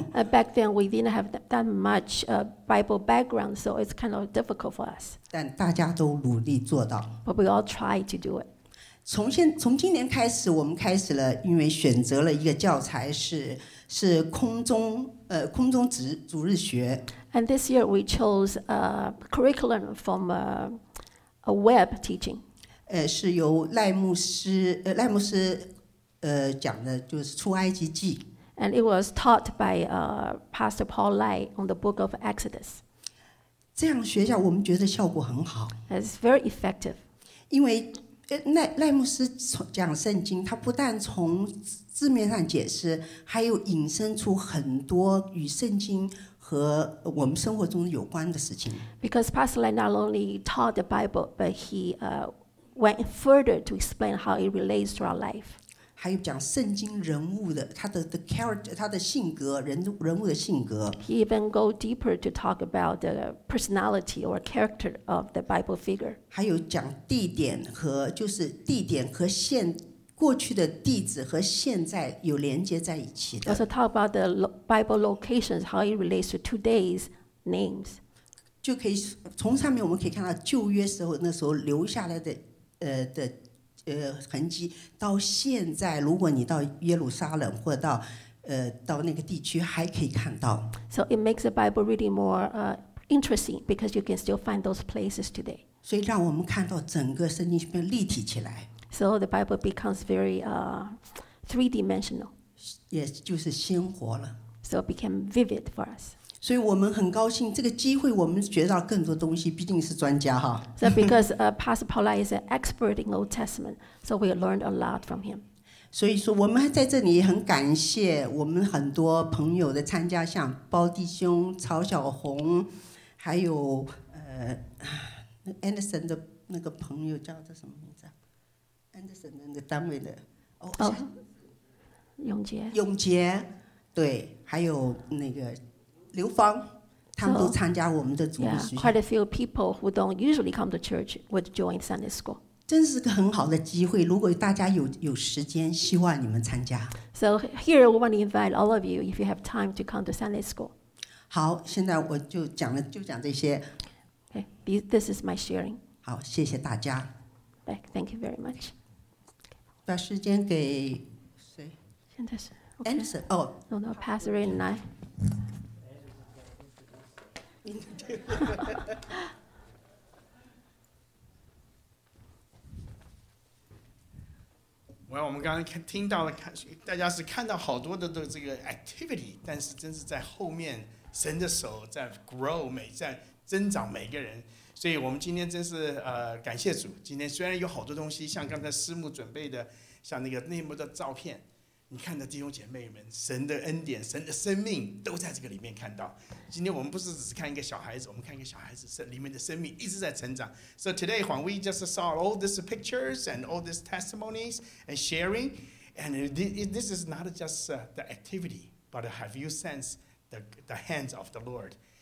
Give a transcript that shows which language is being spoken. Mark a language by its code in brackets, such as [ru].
[en] Back then we didn't have that much Bible background, so it's kind of difficult for us. [zh] 但大家都努力做到。 [en] But we all tried to do it. [zh] 从今年开始，我们开始了，因为选择了一个教材是空中主日学。 [en] And this year we chose a curriculum from a web teaching. [zh] 是由赖牧师讲的，就是出埃及记。 [en] And it was taught by Pastor Paul Lai on the book of Exodus. [zh] 这样学校我们觉得效果很好。 [en] It's very effective. [zh] 因为赖牧师讲圣经，他不但从字面上解释，还有引申出很多与圣经和我们生活中有关的事情。 [en] Because Pastor Lai not only taught the Bible, but he went further to explain how it relates to our life. [zh] 还有讲圣经人物的他的 character 他的性格 人物的性格。 [en] He even go deeper to talk about the personality or character of the Bible figure. [zh] 还有讲地点和就是地点和现过去的地址和现在有连接在一起的。 [en] Also talk about the Bible locations, how it relates to today's names. [zh] 就可以从上面我们可以看到旧约时候那时候留下来的的。痕迹到现在，如果你到耶路撒冷或到到那个地区，还可以看到。 [en] So it makes the Bible reading more interesting because you can still find those places today. [zh] 所以让我们看到整个圣经变立体起来。 [en] So the Bible becomes very three dimensional. [zh] 也就是鲜活了。 [en] So it became vivid for us. [zh] 所以我们很高兴这个机会我们学到更多东西毕竟是专家哈。 [en] So because Pastor Paula is an expert in Old Testament, so we learned a lot from him. [zh] 所以说我们在这里很感谢我们很多朋友的参加像包弟兄曹小红还有Anderson 的那个朋友叫他什么名字 Anderson 的那个单位的。永杰。永杰对还有那个。刘芳，他们都参加我们的主日学校。 [en] Quite a few people who don't usually come to church would join Sunday school. [zh] 真是个很好的机会。如果大家有时间，希望你们参加。 [en] So here we want to invite all of you if you have time to come to Sunday school. [zh] 好，现在我就讲了，就讲这些。 [en] Okay, this is my sharing. [zh] 好，谢谢大家。 [en] Thank you very much. [zh] 把时间给谁？现在是 Anderson。 哦 [en] ，No, Pastor Ray and I. [zh] Well, 我们刚刚听到了，大家是看到好多的这个 activity， 但是真是在后面神的手在 grow 每在增长每个人。所以我们今天真是感谢主。今天虽然有好多东西，像刚才师母准备的，像那个内幕的照片。你看的弟兄姐妹们神的恩典神的生命都在这个里面看到今天我们不是只是看一个小孩子我们看一个小孩子里面的生命一直在成长 [en] So today when we just saw all these pictures and all these testimonies and sharing and this is not just the activity but have you sensed the hands of the Lord